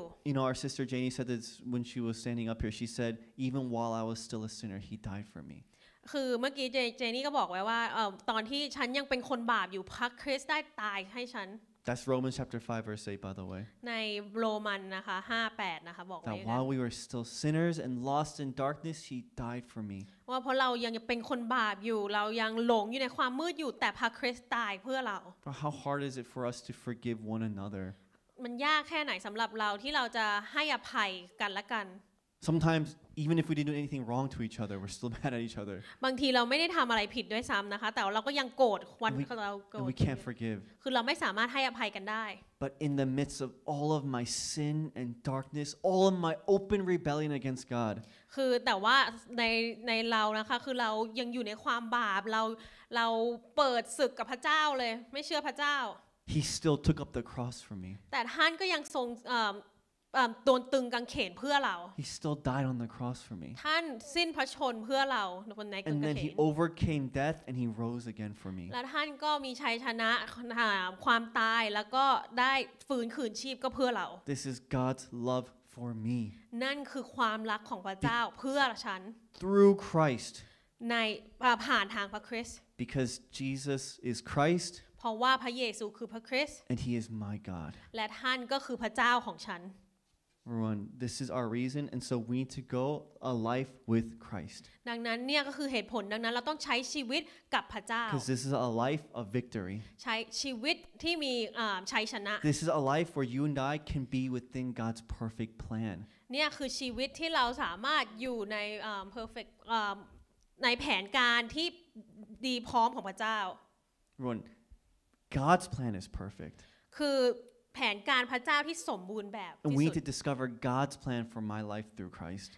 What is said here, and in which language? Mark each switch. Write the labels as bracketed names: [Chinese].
[English] You know, our sister Janie said this when she was standing up here. She said, even while I was still a sinner, he died for me. [Thai] คือเมื่อกี้เจนี่ก็บอกไว้ว่าตอนที่ฉันยังเป็นคนบาปอยู่พระคริสต์ได้ตายให้ฉัน [English] That's Romans chapter 5 verse 8 by the way. [Thai] ในโรมันนะคะ 5:8 นะคะบอก ว่า [English] While we were still sinners and lost in darkness he died for me. [Thai] ว่าเพราะเรายังเป็นคนบาปอยู่เรายังหลงอยู่ในความมืดอยู่แต่พระคริสต์ตายเพื่อเรา [English] But how hard is it for us to forgive one another? [Thai] มันยากแค่ไหนสําหรับเราที่เราจะให้อภัยกันและกัน [English] Sometimes even if we didn't do anything wrong to each other we're still mad at each other [Thai] บางทีเราไม่ได้ทําอะไรผิดด้วยซ้ํานะคะแต่เราก็ยังโกรธวันที่เราโกรธ [English] We can't forgive [Thai] คือเราไม่สามารถให้อภัยกันได้ [English] But in the midst of all of my sin and darkness all of my open rebellion against God [Thai] คือแต่ว่าในเรานะคะคือเรายังอยู่ในความบาปเราเปิดศึกกับพระเจ้าเลยไม่เชื่อพระเจ้า [English] He still took up the cross for me [Thai] แต่ท่านก็ยังทรงโดนตึงกางเขนเพื่อเรา [English] He still died on the cross for me [Thai] ท่านสิ้นพระชนม์เพื่อเราบนไม้กางเขน [English] And then he overcame death and he rose again for me [Thai] และท่านก็มีชัยชนะความตายแล้วก็ได้ฟื้นคืนชีพก็เพื่อเรา [English] This is God's love for me [Thai] นั่นคือความรักของพระเจ้าเพื่อฉัน [English] Through Christ [Thai] ในผ่านทางพระคริสต์ [English] Because Jesus is Christ [Thai] เพราะว่าพระเยซูคือพระคริสต์ [English] And he is my God [Thai] และท่านก็คือพระเจ้าของฉัน [English] Ruin. This is our reason, and so we need to go a life with Christ. [Thai] ดังนั้นเนี่ยก็คือเหตุผลดังนั้นเราต้องใช้ชีวิตกับพระเจ้า [English] Because this is a life of victory. [Thai] ใช้ชีวิตที่มีชัยชนะ [English] This is a life where you and I can be within God's perfect plan. [Thai] เนี่ยคือชีวิตที่เราสามารถอยู่ใน perfect ในแผนการที่ดีพร้อมของพระเจ้า [English] Ruin. God's plan is perfect. [Thai] คือแผนการพระเจ้าที่สมบูรณ์แบบ [English] We need to discover God's plan for my life through Christ.